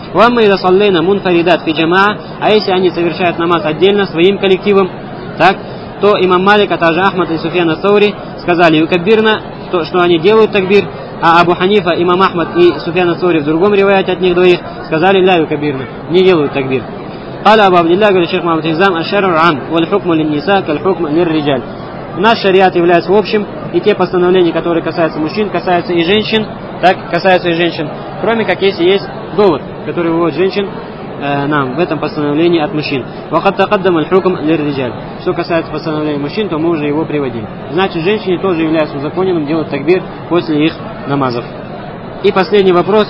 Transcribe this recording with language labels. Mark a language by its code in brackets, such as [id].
[ar] Вамма ида саллейна мунфаридат фи джамаа. [ru] А если они совершают намаз отдельно своим коллективом, так, то имам Малик, а также Ахмад и Суфьян ас-Саури сказали юкаббирна, что они делают такбир. А Абу Ханифа, имам Ахмад и Суфьян ас-Саури в другом ривайте от них двоих сказали [ar] ля юкаббирна, [ru] не делают такбир. [ar] قال أبو عبد الله قال الشيخ محمد الحزام الشرع عام والحكم للنساء كالحكم للرجال. [ru] Наш шариат является общим, и те постановления, которые касаются мужчин, касаются и женщин, так касаются и женщин, кроме как если есть довод, который выводит женщин нам в этом постановлении от мужчин. [ar] وقد تقدم الحكم للرجال. [ru] Что касается постановления мужчин, то мы уже его приводили. Значит, женщины тоже являются узаконенным делать такбир после их намазов. И последний вопрос.